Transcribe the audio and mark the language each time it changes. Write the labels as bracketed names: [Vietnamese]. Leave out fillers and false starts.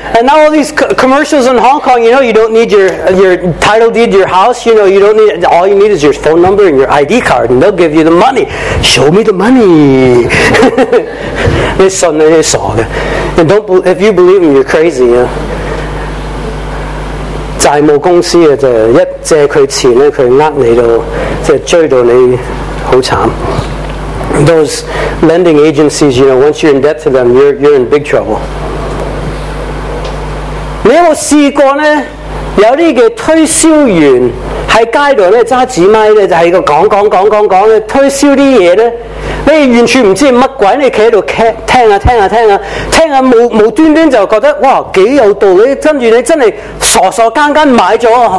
[English] ？And now all these commercials in Hong Kong, you know, you don't need your title deed, your house, you know, you don't need all you need is your phone number and your ID card, and they'll give you the money. Show me the money. [Cantonese] 你信你係傻嘅 [English] ，and don't if you believe me, you're crazy. You know? [Cantonese] 債務公司啊，就一借佢錢咧，佢呃你到，即係追到你。好慘 [English] Those lending agencies, you know, once you're in debt to them, you're in big trouble. [Cantonese] 你有冇試過呢有啲嘅推銷員喺街道咧揸紙咪咧，就喺度講咧，推銷啲嘢咧，你完全唔知乜鬼，你企喺度聽啊，無端端就覺得哇幾有道理，跟住你真係傻傻更更買咗。